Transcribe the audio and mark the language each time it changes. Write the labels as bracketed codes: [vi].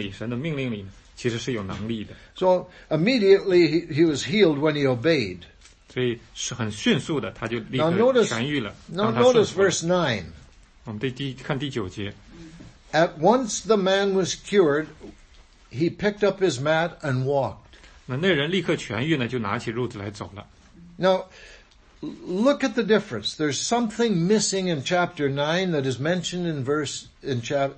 [zh] 在他的这个命令里，神的命令里，其实是有能力的。 [en] So immediately he was healed when he obeyed. [zh] 所以是很迅速的，他就立刻痊愈了。 [en] Now notice verse 9. [zh] 我们看第九节。 [en] At once the man was cured, he picked up his mat and walked. [zh] 那人立刻痊愈呢，就拿起褥子来走了。 [en] Now look at the difference. There's something missing in chapter 9 that is mentioned in verse 8.